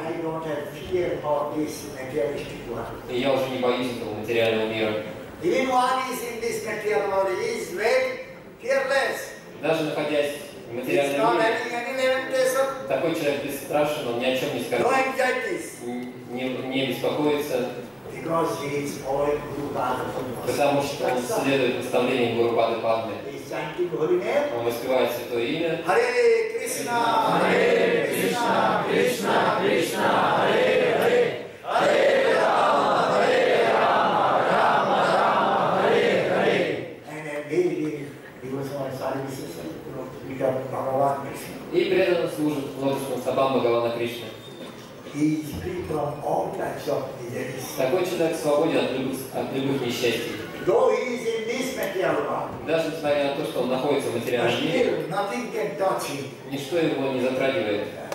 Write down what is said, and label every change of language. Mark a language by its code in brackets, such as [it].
[en] I don't have fear of this materialistic world. [ru] И я уже не боюсь этого материального мира. [en] Even one is in this material world, he is very fearless. [ru] Даже находясь в материальном мире, такой человек бесстрашен, он ни о чем не скажет. [en] No anxieties. [ru] Не беспокоится. [en] Because he is following Guru Pada Padma. [ru] Потому что он следует наставлениям Гуру Пады Падмы. Он воспевает Святое Имя. Харе Кришна! Харе Кришна! Кришна Кришна! Харе Харе! Харе Рама! Харе Рама! Рама Рама! Харе Харе! [en] And again, he was on services of Bhagavan Krishna. [ru] И преданно служит лотосным стопам Бхагавана Кришны. [en] He is free from all types of miseries. [ru] Такой человек свободен от любых несчастий. [en] Though he is in this material world, [ru] даже несмотря на то, что он находится в материальном мире, [en] nothing can touch him. [ru] Ничто его не затрагивает.